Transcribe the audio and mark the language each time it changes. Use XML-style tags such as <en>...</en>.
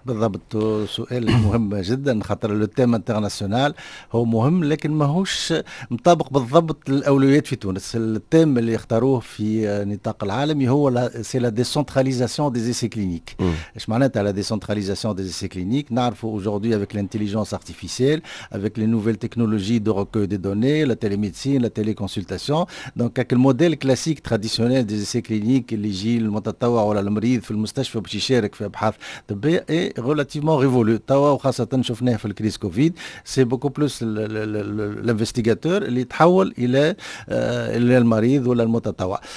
<ar>بالضبط سؤال مهم جدا خاطر لو تيم انترناسيونال هو مهم لكن ماهوش مطابق بالضبط للأولويات في تونس التيم اللي اختاروه في نطاق العالمي هو</ar> <fr>c'est la décentralisation des essais cliniques.</fr> <ar>اش معناتها</ar> <fr>la décentralisation des essais cliniques</fr> <ar>نعرفوا</ar> <fr>aujourd'hui avec l'intelligence artificielle, avec les nouvelles technologies de recueil des données, la télémédecine, la téléconsultation. Donc avec le modèle classique traditionnel des essais cliniques</fr> <ar>اللي يجي المتطوع ولا المريض في المستشفى باش يشارك في ابحاث طبيه</ar> <fr>est relativement révolu.</fr> <ar>توا وخاصة شفناه في الكريس كوفيد,</ar> <fr>c'est beaucoup plus l'investigateur</fr> <ar>اللي يتحول الى المريض ولا المتطوع.</ar>